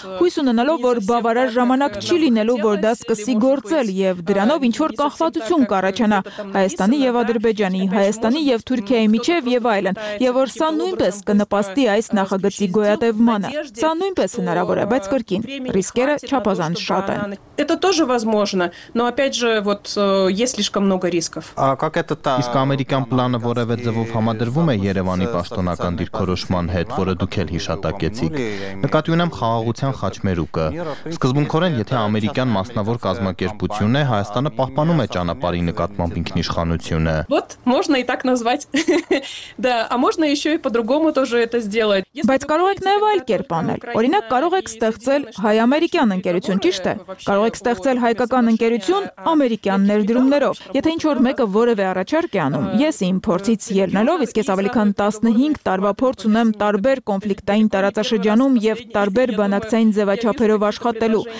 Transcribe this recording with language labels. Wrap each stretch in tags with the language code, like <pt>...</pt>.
<hy>հույս ունենալով, որ բավարար ժամանակ չի լինելու, որ դա սկսի գործել եւ դրանով ինչ-որ կախվածություն կառաջանա Հայաստանի եւ Ադրբեջանի, Հայաստանի եւ Թուրքիայի միջև եւ այլն, եւ որ սա նույնպես կնպաստի այս նախագծի գոյատևմանը։ Սա նույնպես հնարավոր է, բայց կրկին, ռիսկերը չափազանց շատ են։</hy> <ru>Это тоже возможно, но опять же, вот есть слишком много рисков. А как это та?</ru> <hy>Իսկ ամերիկյան պլանը որևէ ձևով համադրվում է Երևանի պաշտոնական դիրքորոշման հետ, որը դուք էլ հիշատակեցիք։ Նկատի ունեմ խաղաղության խաչմերուկը։ Սկզբունքորեն, եթե ամերիկյան մասնավոր կազմակերպություն է, Հայաստանը պահպանում է ճանապարհի նկատմամբ ինքնիշխանությունը։</hy> <ru>Вот можно и так назвать. Да, а можно ещё и по-другому тоже это сделать.</ru> <hy>Բայց կարող եք նաև այլ կերպ անել։ Օրինակ, կարող եք ստեղծել հայ-ամերիկյան ընկերություն, ճիշտ է։ Կարող եք ստեղծել հայկական ընկերություն ամերիկյան ներդրումներով։ Եթե ինչ-որ մեկը որևէ առաջարկ է անում, ես իմ փորձից ելնելով, իսկ ես ավելի քան 15 տարվա փորձ ունեմ տարբեր կոնֆլիկտային տարածաշրջանում եւ տարբեր բանակցային ձևաչափերով աշխատելու,</hy>